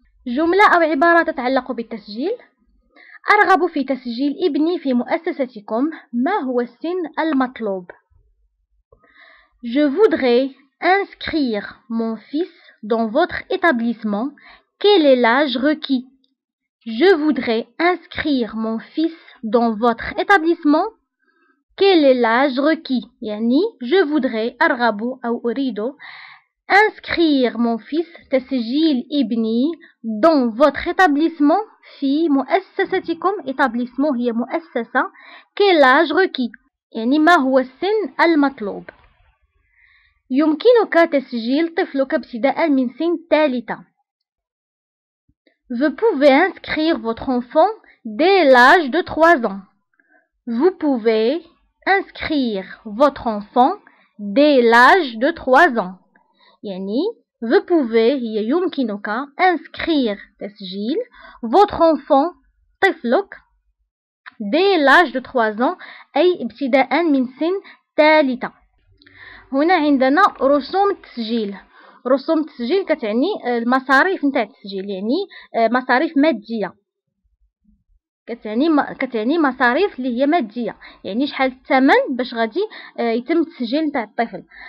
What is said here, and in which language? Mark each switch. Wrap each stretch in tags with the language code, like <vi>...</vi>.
<ar>جملة أو عبارة تتعلق بالتسجيل: أرغب في تسجيل ابني في مؤسستكم، ما هو السن المطلوب؟</ar> <fr>Je voudrais inscrire mon fils dans votre établissement. Quel est l'âge requis? Je voudrais inscrire mon fils dans votre établissement. Quel est l'âge requis? Yani, je voudrais</fr> <ar>arghabu ou urido</ar> <fr>inscrire mon fils</fr> <ar>tasjil ibni</ar> <fr>dans votre établissement.</fr> <ar>Fi mu'assasatikum, établissement hiya mu'assasa.</ar> <fr>Quel âge requis?</fr> <ar>Yani, ma huwa sin al-matloub. يمكنك تسجيل طفلك ابتداء من سن ثالثة.</ar> <fr>Vous pouvez inscrire votre enfant dès l'âge de 3 ans. Vous pouvez inscrire votre enfant dès l'âge de 3 ans.</fr> <ar>يعني</ar> <fr>vous pouvez</fr> <ar>يمكنك</ar> <fr>inscrire</fr> <ar>تسجيل</ar> <fr>votre enfant</fr> <ar>طفلك</ar> <fr>dès l'âge de 3 ans</fr> <ar>أي ابتداء من سن ثالثة. هنا عندنا رسوم التسجيل. رسوم التسجيل كتعني المصاريف نتاع التسجيل، يعني مصاريف مادية، كتعني مصاريف اللي هي مادية، يعني شحال الثمن باش غادي يتم التسجيل نتاع الطفل.</ar>